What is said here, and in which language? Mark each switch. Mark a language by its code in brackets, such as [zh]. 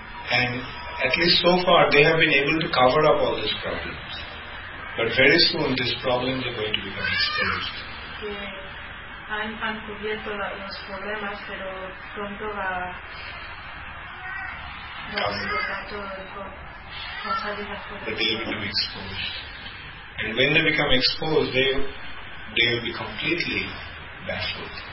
[en] And at least so far they have been able to cover up all these problems. But very soon these problems are going to become exposed. [es] Han cubierto los problemas, pero pronto va a explotar todo, va a salir las cosas. [en] But they will become exposed, and when they become exposed, they will be completely baffled.